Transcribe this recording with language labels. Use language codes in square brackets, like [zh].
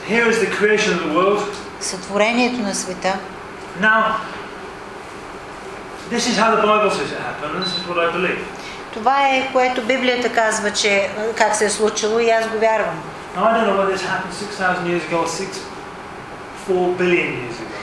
[en] Here is the creation of the world. [bg] Сътворението на света. [en] Now, this is how the Bible says it happened, and this is what I believe. [bg] Това е което Библията казва, че как се е случило, и аз го вярвам. [en] Now, I don't know whether this happened 6,000 years ago, 4 billion years ago.